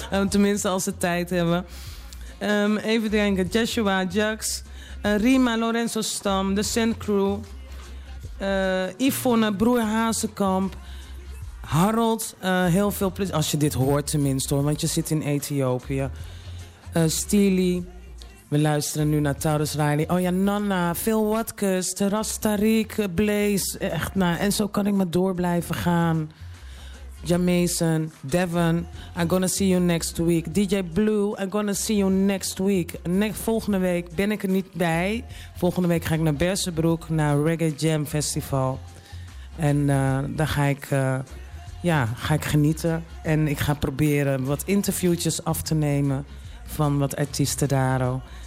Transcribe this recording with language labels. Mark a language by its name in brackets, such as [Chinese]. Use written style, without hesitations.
[Dutch] Tenminste, als ze tijd hebben. Even denken, Joshua, Jax, Rima, Lorenzo Stam, de Sand Crew, Yvonne, broer Hazekamp, Harold, heel veel plezier, als je dit hoort tenminste hoor, want je zit in Ethiopië, Steely, we luisteren nu naar Taurus Riley, oh ja, Nana, Phil Watkus, Rastariek, Blaze, echt, nou, en zo kan ik maar door blijven gaan. [English] Jamason, Devon, I'm gonna see you next week. DJ Blue, I'm gonna see you next week. [Dutch] Volgende week ben ik er niet bij. Volgende week ga ik naar Bersenbroek, naar Reggae Jam Festival. En daar ga ik, ga ik genieten. En ik ga proberen wat interviewtjes af te nemen van wat artiesten daar.